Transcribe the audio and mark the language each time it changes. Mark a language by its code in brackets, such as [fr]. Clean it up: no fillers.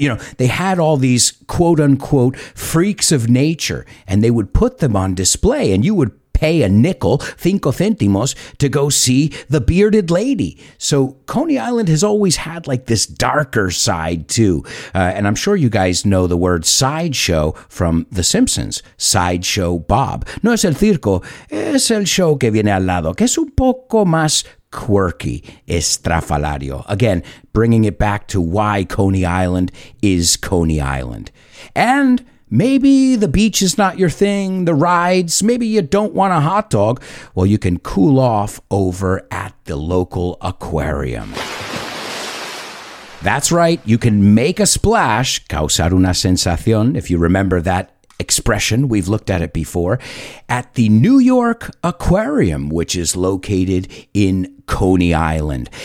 [en] You know, they had all these quote-unquote freaks of nature, and they would put them on display, and you would pay a nickel, 5 centimos, to go see the Bearded Lady. So Coney Island has always had like this darker side too. And I'm sure you guys know the word sideshow from The Simpsons, Sideshow Bob. [es] No es el circo, es el show que viene al lado, que es un poco más quirky, estrafalario. [en] Again, bringing it back to why Coney Island is Coney Island. And maybe the beach is not your thing, the rides, maybe you don't want a hot dog. Well, you can cool off over at the local aquarium. That's right, you can make a splash, [es] causar una sensación, [en] if you remember that expression, we've looked at it before, at the New York Aquarium, which is located in Coney Island.